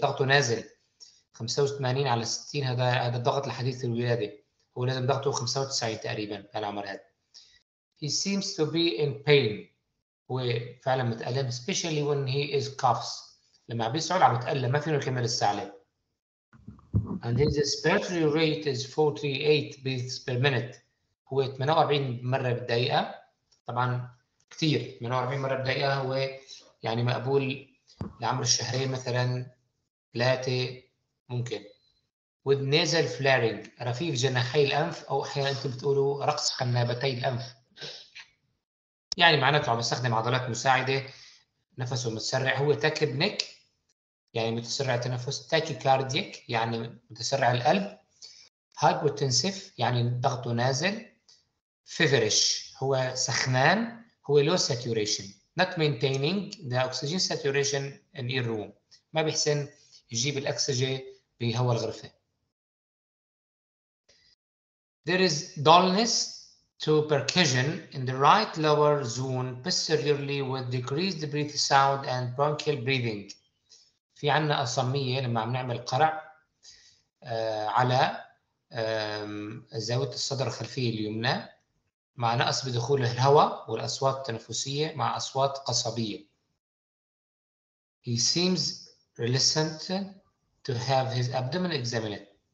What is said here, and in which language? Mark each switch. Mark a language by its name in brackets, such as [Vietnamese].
[Arabic] ضغطه نازل 85/60، هذا الضغط الحديث الولادة، هو لازم ضغطه 95 تقريبا على العمر هذا. [English] He seems to be in pain. [Arabic] هو فعلا متألم، [English] especially when he is coughs. [Arabic] لما بيسعل عم يتألم، ما فيه يكمل السعلة. [English] And his respiratory rate is 48 beats per minute. [Arabic] هو 48 مرة بالدقيقة، طبعا كثير، 48 مرة بالدقيقة هو يعني مقبول لعمر الشهرين مثلا 3 ممكن. [English] With nasal flaring، [Arabic] رفيف جناحي الأنف، أو أحيانا أنتم بتقولوا رقص قنابتي الأنف، يعني معناته عم يستخدم عضلات مساعدة، نفسه متسرع. هو تاكيبنيك يعني متسرع تنفس، تاكيكارديك يعني متسرع القلب، هايبوتنسيف يعني ضغطه نازل، feverish هو سخنان، هو [English] low saturation not maintaining the oxygen saturation in your room، [Arabic] ما بيحسن يجيب الأكسجين بهوا الغرفة. [English] There is dullness to percussion in the right lower zone posteriorly with decreased breath sound and bronchial breathing. [Arabic] في عنا أصمية لما عم نعمل قرع على زاوية الصدر الخلفية اليمنى، مع نقص بدخول الهواء والأصوات التنفسية مع أصوات قصبية. [English] He seems reluctant to have his abdomen examined.